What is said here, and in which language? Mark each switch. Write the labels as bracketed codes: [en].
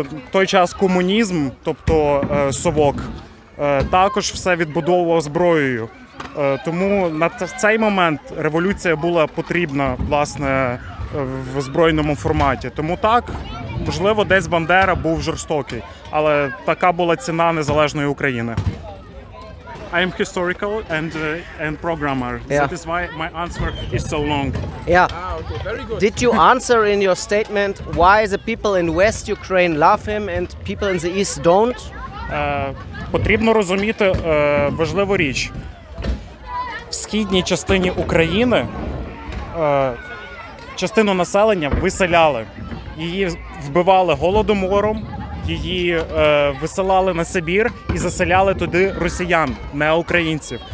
[uk] Той час комунізм, тобто совок, також все відбудовував зброєю. Тому на цей момент революція була потрібна, власне, в збройному форматі. Тому так, можливо, десь Бандера був жорстокий, але така була ціна незалежної України. [en] I am historical and programmer. Yeah. That is why my answer is so long. Yeah. Ah, okay. Very good. Did you answer in your statement why the people in West Ukraine love him and people in the East don't? [uk] Потрібно розуміти важливу річ. В східній частині України частину населення виселяли. Її вбивали голодомором. Її висилали на Сибір і заселяли туди росіян, не українців.